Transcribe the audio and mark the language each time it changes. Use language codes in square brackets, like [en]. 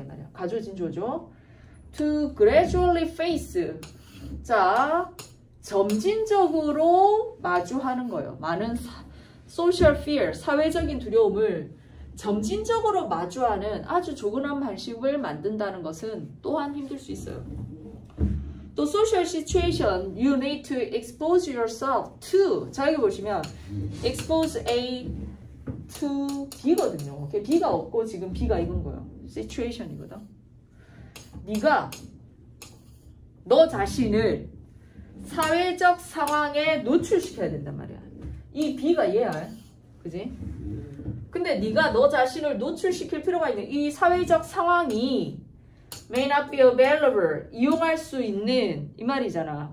[ko] 이 말이에요. 가조진 조죠. [en] To gradually face. [ko] 자, 점진적으로 마주하는 거예요. 많은 social fear, 사회적인 두려움을 점진적으로 마주하는 아주 조그만 방식을 만든다는 것은 또한 힘들 수 있어요. 또 [en] social situation, you need to expose yourself to. [ko] 자, 여기 보시면 expose a to b거든요. b가 없고 지금 b가 이건 거예요. situation이거든. 네가 너 자신을 사회적 상황에 노출시켜야 된단 말이야. 이 b가 얘야. 그지? 근데 네가 너 자신을 노출시킬 필요가 있는 이 사회적 상황이 [en] may not be available, [ko] 이용할 수 있는 이 말이잖아.